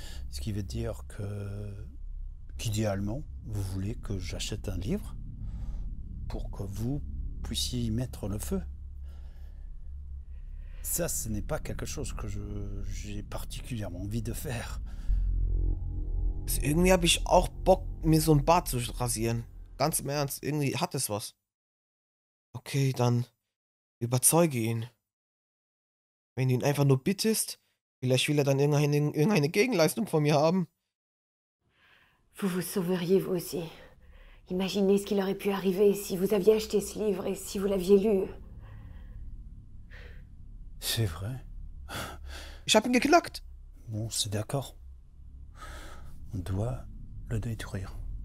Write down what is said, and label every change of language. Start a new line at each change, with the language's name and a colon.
French: Ce qui veut dire que, qu'idéalement, vous voulez que j'achète un livre pour que vous puissiez y mettre le feu. Ça, ce n'est pas quelque chose que j'ai particulièrement envie de faire.
German: Irgendwie habe ich auch Bock, mir so ein Bart zu rasieren. Ganz im Ernst, irgendwie hat es was. Okay, dann überzeuge ihn. Wenn du ihn einfach nur bittest, vielleicht will er dann irgendeine Gegenleistung von mir haben.
French: Vous vous sauveriez vous aussi. Imaginez ce qu'il aurait pu arriver si vous aviez acheté ce livre et si vous l'aviez lu. C'est vrai.
German: Ich hab ihn geknackt.
French: Bon, c'est d'accord. On doit le détruire.